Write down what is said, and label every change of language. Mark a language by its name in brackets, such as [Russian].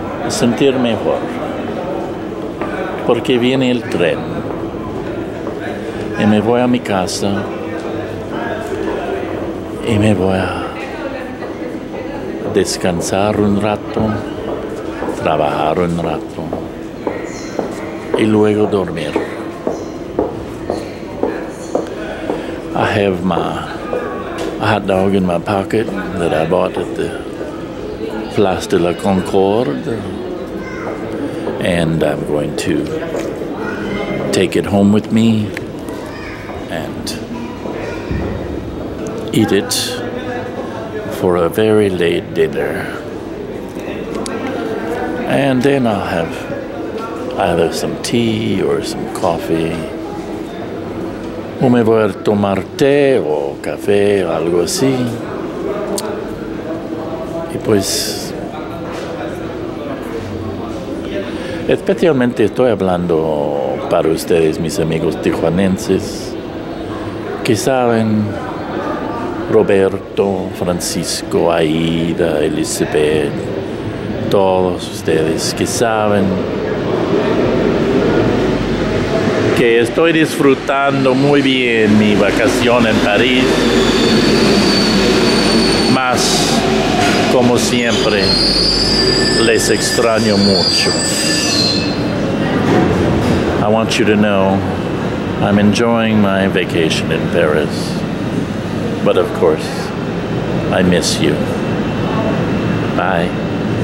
[Spanish] sentir mejor, porque viene el tren y me voy a mi casa y me voy a descansar un rato, trabajar un rato y luego dormir. [English] I have my hot dog in my pocket that I bought at the Place de la Concorde, and I'm going to take it home with me and eat it for a very late dinner, and then I'll have either some tea or some coffee. [Spanish] O me voy a tomar té o café o algo así. Y pues, especialmente estoy hablando para ustedes, mis amigos tijuanenses, que saben, Roberto, Francisco, Aida, Elizabeth, todos ustedes que saben que estoy disfrutando muy bien mi vacación en París, mas como siempre les extraño mucho. [English] I want you to know I'm enjoying my vacation in Paris, but of course I miss you. Bye.